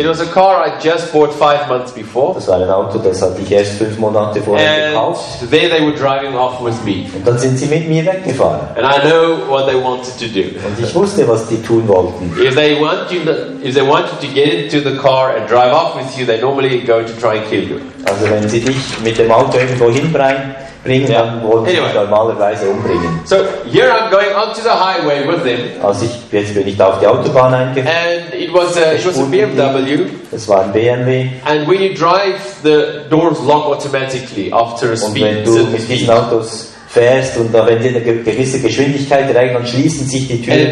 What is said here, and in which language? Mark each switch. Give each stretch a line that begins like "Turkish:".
English: It was a car I just bought 5 months before.
German: Das war ein Auto, das hatte ich erst 5 Monate vorher
English: and
German: gekauft.
English: There they were driving off with me.
German: Und dann sind sie mit mir weggefahren.
English: And I know what they wanted to do.
German: Und ich wusste, was die tun wollten.
English: If they want you to get into the car and drive off with you, they normally go to try and kill you.
German: Also wenn sie dich mit dem Auto irgendwo hinbringen, bringen, yeah, dann wollen sie mich normalerweise umbringen.
English: So here I'm going onto the highway with them.
German: Also ich, jetzt bin ich da auf die Autobahn eingefahren.
English: And it was a BMW.
German: Es war ein BMW.
English: And when you drive, the doors lock automatically after a speed.
German: Und wenn du mit diesen Autos fährst und da, wenn die eine gewisse Geschwindigkeit erreichen, dann schließen sich die Türen